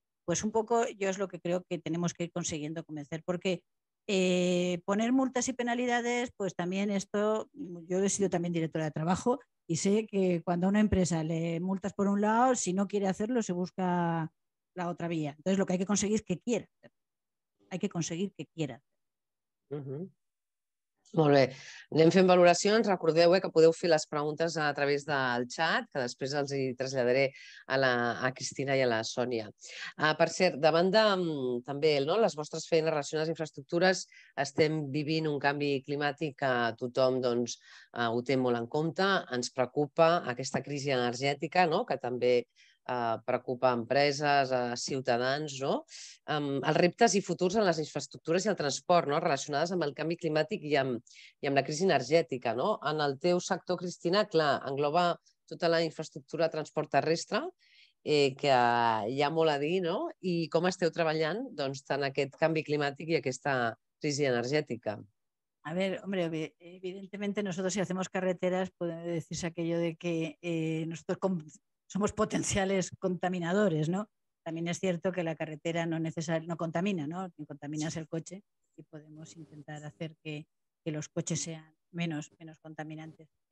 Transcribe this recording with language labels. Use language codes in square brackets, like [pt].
[es] Pues un poco yo es lo que creo que tenemos que ir consiguiendo convencer, porque poner multas y penalidades, pues también esto, yo he sido también directora de trabajo y sé que cuando a una empresa le multas por un lado, si no quiere hacerlo, se busca la otra vía. Entonces lo que hay que conseguir es que quiera. Hay que conseguir que quiera. [ca] Molt bé. Anem fent valoracions. Recordeu que podeu fer les preguntes a través del chat, que després els hi traslladaré a Cristina i a la Sònia. Per cert, davant de també, no, les vostres feines relacionades a infraestructures, estem vivint un canvi climàtic que tothom doncs, ho té molt en compte. Ens preocupa aquesta crisi energètica, no, que també preocupa empreses, ciutadans, no? Els reptes i futurs en les infraestructures i el transport, no? Relacionades amb el canvi climàtic i amb la crisi energètica, no? En el teu sector, Cristina, clar, engloba tota la infraestructura de transport terrestre, que hi ha molt a dir, no? I com esteu treballant, doncs, tant aquest canvi climàtic i aquesta crisi energètica? [es] A ver, hombre, evidentemente nosotros si hacemos carreteras, podemos decirse aquello de que nosotros somos potenciales contaminadores, ¿no? También es cierto que la carretera no contamina, ¿no? Ni contaminas el coche y podemos intentar hacer que los coches sean menos contaminantes.